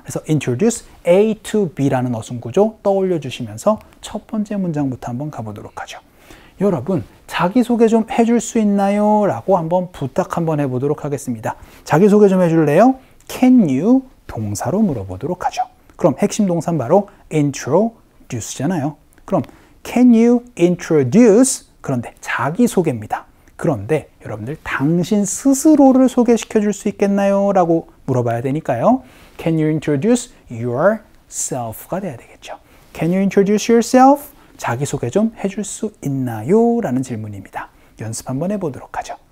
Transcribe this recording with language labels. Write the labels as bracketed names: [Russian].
[Korean] 그래서 introduce A to B라는 어순 구조 떠올려 주시면서 첫 번째 문장부터 한번 가보도록 하죠. 여러분, 자기소개 좀 해줄 수 있나요? 라고 한번 부탁 한번 해보도록 하겠습니다. 자기소개 좀 해줄래요? [English] Can you? [Korean] 동사로 물어보도록 하죠. 그럼 핵심 동사는 바로 introduce잖아요. [English] 그럼 Can you introduce? [Korean] 그런데 자기소개입니다. 그런데 여러분들 당신 스스로를 소개시켜줄 수 있겠나요? 라고 물어봐야 되니까요. [English] Can you introduce yourself? [Korean] 가 돼야 되겠죠. [English] Can you introduce yourself? [Korean] 자기소개 좀 해줄 수 있나요? 라는 질문입니다. 연습 한번 해보도록 하죠.